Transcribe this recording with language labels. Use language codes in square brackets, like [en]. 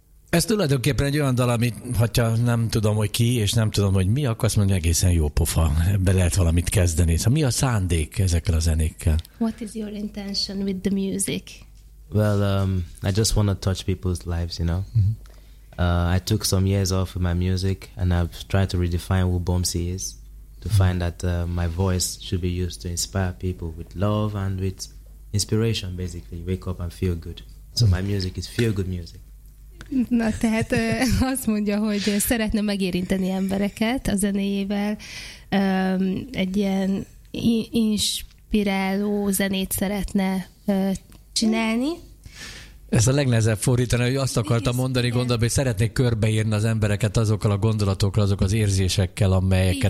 [hu] Ez tulajdonképpen egy olyan dal, amit ha nem tudom, hogy ki, és nem tudom, hogy mi, akkor azt mondja, egészen jó pofa, ebbe lehet valamit kezdeni. Szóval mi a szándék ezekkel a zenékkel? [en] What is your intention with the music? Well, I just want to touch people's lives, you know. Mm-hmm. I took some years off of my music, and I've tried to redefine who Bomsi is, to mm-hmm. find that my voice should be used to inspire people with love and with inspiration, basically. Wake up and feel good. So my music is feel good music. [hu] Na, tehát azt mondja, hogy szeretne megérinteni embereket a zenéjével. Egy ilyen inspiráló zenét szeretne csinálni. Ezt a legnehezebb fordítani, hogy azt akartam mondani, gondolom, hogy szeretnék körbeírni az embereket azokkal a gondolatokkal, azok az érzésekkel, amelyeket